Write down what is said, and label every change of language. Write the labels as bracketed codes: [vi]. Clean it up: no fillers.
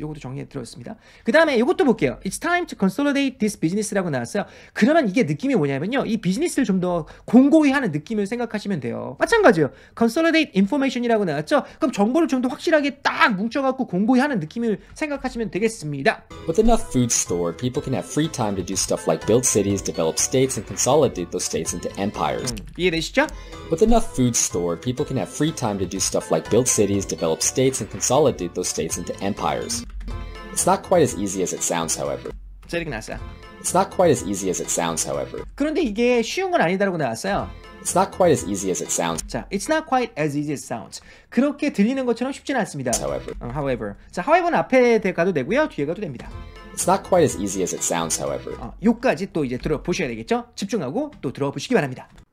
[ko] 요것도 정리해 드렸습니다. 그다음에 요것도 볼게요. [en] It's time to consolidate this business [ko] 라고 나왔어요. 그러면 이게 느낌이 뭐냐면요. 이 비즈니스를 좀 더 공고히 하는 느낌을 생각하시면 돼요. 마찬가지예요. [en] Consolidate information [ko] 이라고 나왔죠. 그럼 정보를 좀 더 확실하게 딱 뭉쳐 갖고 공고히 하는 느낌을 생각하시면 되겠습니다. [en] With enough food stored, people can have free time to do stuff like build cities, develop states and consolidate those states into empires. [ko] 이해되시죠? [en] With enough food stored, people can have free time to do stuff like build cities, develop states, and consolidate those states into empires. It's not quite as easy as it sounds, however. [ko] 제리가 나왔어요. [en] It's not quite as easy as it sounds, however. [ko] 그런데 이게 쉬운 건 아니다라고 나왔어요. [en] It's not quite as easy as it sounds. 자, it's not quite as easy as it sounds. [ko] 그렇게 들리는 것처럼 쉽지는 않습니다. [en] However. [ko] However. 자, however는 앞에 가도 되고요, 뒤에 가도 됩니다. [en] It's not quite as easy as it sounds, however. [ko] 요까지 또 이제 들어보셔야 되겠죠? 집중하고 또 들어보시기 바랍니다.